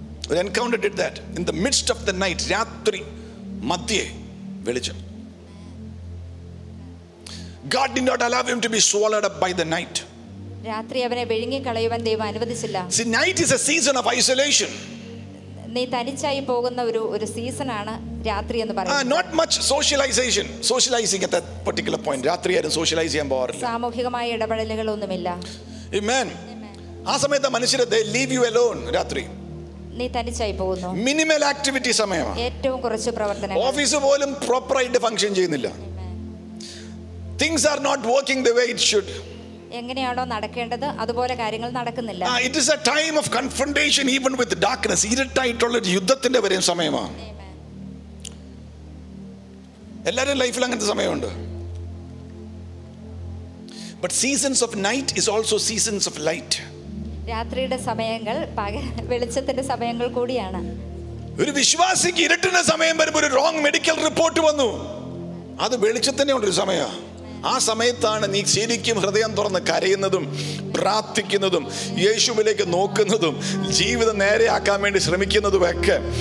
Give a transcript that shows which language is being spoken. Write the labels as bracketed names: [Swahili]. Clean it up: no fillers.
[English] An encounter did that in the midst of the night. [Malayalam] രാത്രി മധ്യേ വെളിച്ചം. [English] God did not allow him to be swallowed up by the night. [Malayalam] രാത്രി അവനെ വിഴുങ്ങി കളയുവാൻ ദൈവം അനുവദിച്ചില്ല. [English] See, night is a season of isolation. [Malayalam] നീ തനിച്ചായി പോകുന്ന ഒരു ഒരു സീസൺ ആണ് രാത്രി എന്ന് പറയുന്നത്. [English] Not much socialization. Socializing at that particular point. [Malayalam] രാത്രി ആരും സോഷ്യലൈസ് ചെയ്യാൻ പോവാറില്ല. സാമൂഹികമായ ഇടപെടലുകൾ ഒന്നുമില്ല. [English] Amen. [Malayalam] ആ സമയത്ത് മനുഷ്യരെ [English] they leave you alone [Malayalam] രാത്രി. നീ തനിച്ചായി പോകുന്നു. [English] Minimal activity സമയമാണ്. [Malayalam] ഏറ്റവും കുറച്ച് പ്രവർത്തനങ്ങൾ. ഓഫീസ് പോലും പ്രോപ്പർ ആയിട്ട് ഫങ്ഷൻ ചെയ്യുന്നില്ല. [English] Things are not working the way it should. [Malayalam] എങ്ങനെയാണോ നടക്കേണ്ടത് അതുപോലെ കാര്യങ്ങൾ നടക്കുന്നില്ല. [English] It is a time of confrontation even with darkness. [Malayalam] ഇരുട്ടായിട്ടുള്ള യുദ്ധത്തിന്റെ വരെ സമയമാണ്. എല്ലാവരും ലൈഫിൽ അങ്ങനത്തെ സമയമുണ്ട്. [English] But seasons of night is also seasons of light. [Malayalam] രാത്രിയുടെ സമയങ്ങൾ വെളിച്ചത്തിന്റെ സമയങ്ങൾ കൂടിയാണ്. ഒരു വിശ്വാസിക്ക് ഇരുട്ടിന്റെ സമയം വരുമ്പോൾ ഒരു റോങ് മെഡിക്കൽ റിപ്പോർട്ട് വന്നു, അത് വെളിച്ചത്തിന്റെ ഉണ്ട് ഒരു സമയമാണ്. ആ സമയത്താണ് നീ ശരിക്കും ഹൃദയം തുറന്ന് കരയുന്നതും പ്രാർത്ഥിക്കുന്നതും യേശുവിലേക്ക് നോക്കുന്നതും ജീവിതം നേരെയാക്കാൻ വേണ്ടി ശ്രമിക്കുന്നതുമൊക്കെ.